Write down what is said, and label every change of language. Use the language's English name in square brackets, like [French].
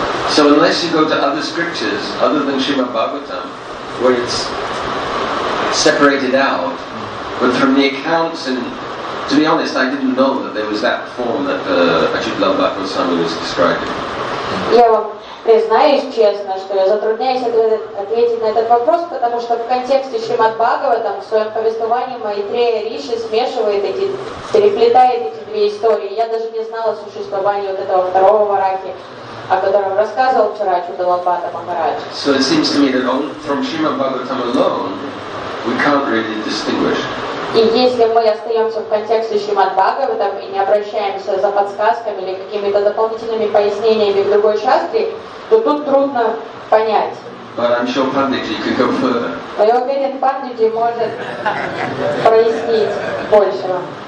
[English] So unless you go to other scriptures, other than Srimad Bhagavatam, where it's separated out, but from the accounts, and to be honest, I didn't know that there was that form that Achyutananda Goswami was describing. Yeah, well. [Russian] Признаюсь честно, что я затрудняюсь ответить на этот вопрос, потому что в контексте Шримад Бхагаватам в своем повествовании Майтрея Риши смешивает эти, переплетает эти две истории. Я даже не знала о существовании вот этого второго Варахи, о котором рассказывал вчера Чудалабхата Махарадж. [English] So it seems to me that only from Shrimad Bhagavatam alone we can't really distinguish. [Russian] И если мы остаемся в контексте Шримад Бхагаватам и не обращаемся за подсказками или какими-то дополнительными пояснениями в другой шастре, то тут трудно понять. [English] Sure [Russian] Но я уверен, Пандиджи может прояснить большего.